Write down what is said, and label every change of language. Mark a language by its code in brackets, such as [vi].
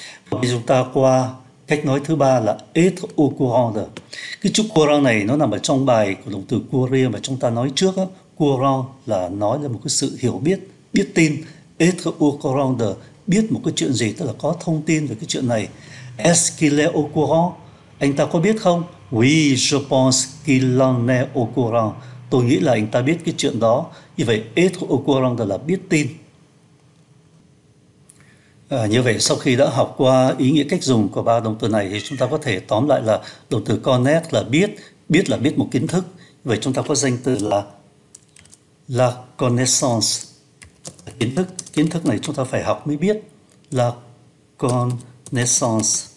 [vi] Bây giờ chúng ta qua cách nói thứ ba là être au courant de. Cái chữ courant này nó nằm ở trong bài của động từ courir mà chúng ta nói trước. Courant là nói là một cái sự hiểu biết, biết tin. Être au courant de, biết một cái chuyện gì, tức là có thông tin về cái chuyện này. [fr] Est-ce qu'il est au courant? [vi] Anh ta có biết không? [fr] Oui, je pense qu'il en est au courant. [vi] Tôi nghĩ là anh ta biết cái chuyện đó. Như vậy, être au courant de là biết tin. Như vậy, sau khi đã học qua ý nghĩa cách dùng của ba động từ này thì chúng ta có thể tóm lại là động từ connaître là biết, biết là biết một kiến thức. Vậy chúng ta có danh từ là la connaissance, kiến thức. Kiến thức này chúng ta phải học mới biết, la connaissance.